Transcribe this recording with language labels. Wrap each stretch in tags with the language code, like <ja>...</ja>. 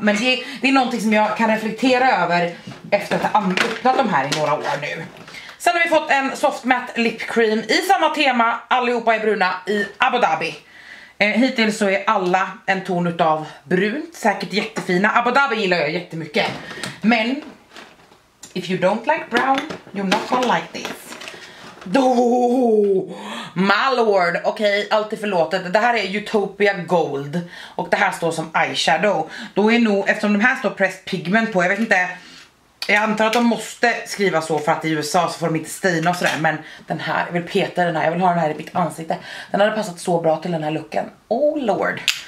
<sv>Men det är någonting som jag kan reflektera över efter att ha använt de här i några år nu. Sen har vi fått en soft matte lip cream i samma tema, allihopa är bruna i Abu Dhabi. Hittills så är alla en ton utav brunt, säkert jättefina. Abu Dhabi gillar jag jättemycket.</sv> <en>Men, if you don't like brown, you're not gonna like this. Oh, my lord,</en> <sv>okej, okay, allt är förlåtet. Det här är Utopia Gold och det här står som eyeshadow. Då är nog, eftersom de här står pressed pigment på, jag vet inte. Jag antar att de måste skriva så för att i USA så får de inte stina och sådär. Men den här, jag vill peta den här, jag vill ha den här i mitt ansikte. Den hade passat så bra till den här looken.</sv> <en>Oh lord.</en>